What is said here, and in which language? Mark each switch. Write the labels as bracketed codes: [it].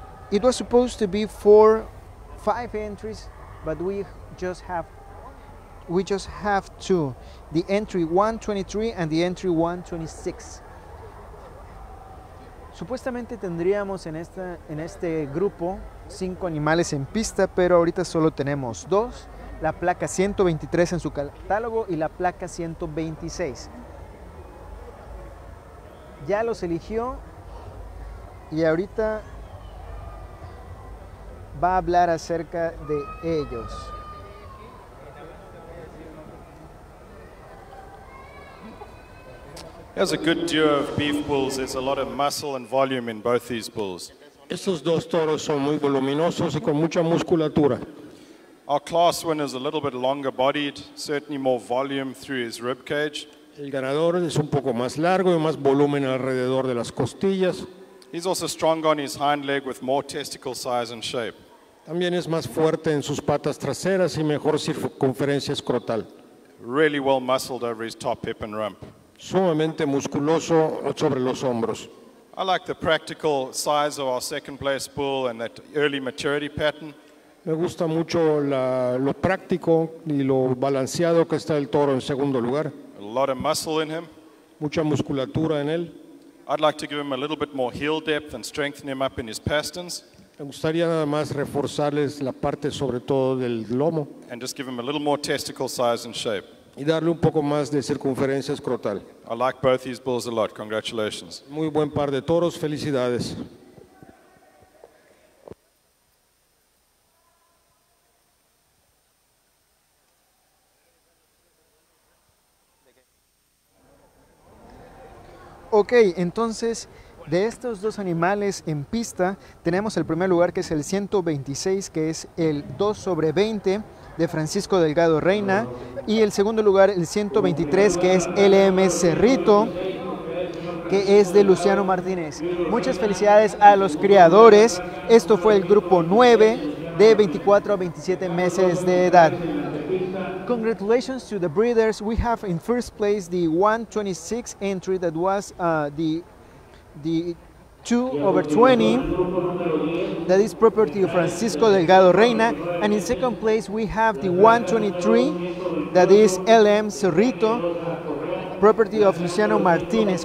[en] It was supposed to be five entries, but we just have two, the entry 123 and the entry 126. [es] Supuestamente tendríamos en este grupo cinco animales en pista, pero ahorita solo tenemos dos, la placa 123 en su catálogo y la placa 126. Ya los eligió y ahorita va a hablar acerca de ellos. [en] There's a good duo of beef bulls. There's a lot of muscle and volume in both these bulls. [es] Estos dos toros son muy voluminosos y con mucha musculatura. [en] Our class winner is a little bit longer bodied, certainly more volume through his rib cage. [es] El ganador es un poco más largo y más volumen alrededor de las costillas. [en] He's also stronger on his hind leg with more testicle size and shape. [es] También es más fuerte en sus patas traseras y mejor circunferencia escrotal. [en] Really well muscled over his top hip and rump. [es] Sumamente musculoso sobre los hombros. [en] I like the practical size of our second place bull and that early maturity pattern. [es] Me gusta mucho lo práctico y lo balanceado que está el toro en segundo lugar. [en] A lot of muscle in him. [es] Mucha musculatura en él. [en] I'd like to give him a little bit more heel depth and strengthen him up in his pastons. [es] Me gustaría nada más reforzarles la parte sobre todo del lomo. [en] And just give him a little more testicle size and shape. [es] Y darle un poco más de circunferencia escrotal. [en] I like both these bulls a lot. Congratulations. [es] Muy buen par de toros. Felicidades. Ok, entonces, de estos dos animales en pista, tenemos el primer lugar, que es el 126, que es el 2 sobre 20 de Francisco Delgado Reina, y el segundo lugar, el 123, que es LM Cerrito, que es de Luciano Martínez. Muchas felicidades a los criadores. Esto fue el grupo 9 de 24 a 27 meses de edad. [en] Congratulations to the breeders. We have in first place the 126 entry that was the 2/20 that is property of Francisco Delgado Reina, and in second place we have the 1/23 that is LM Cerrito, property of Luciano Martinez.